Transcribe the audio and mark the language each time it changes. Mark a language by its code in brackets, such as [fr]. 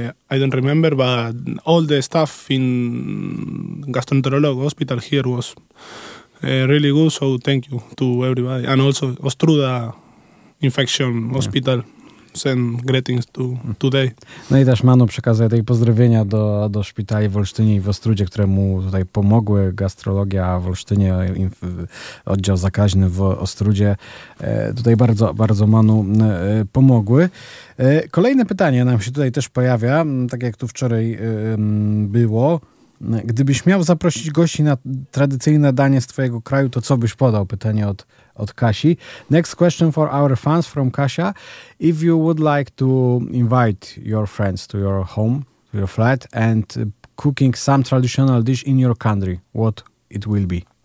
[en] I don't remember, but all the staff in gastroenterologist hospital here was really good, so thank you to everybody. And also Ostruda Infection Hospital. Send greetings to today. [pl] No i też Manu przekazuje tej pozdrowienia do szpitali w Olsztynie i w Ostródzie, które mu tutaj pomogły. Gastrologia w Olsztynie, oddział zakaźny w Ostródzie. Tutaj bardzo, bardzo Manu pomogły. Kolejne pytanie nam się tutaj też pojawia, tak jak tu wczoraj było. Gdybyś miał zaprosić gości na tradycyjne danie z twojego kraju, to co byś podał? Pytanie od Kasi. [en] Next question for our fans from Kasia. If you would like to invite your friends to your home, to your flat, and cooking some traditional dish in your country, what it will be?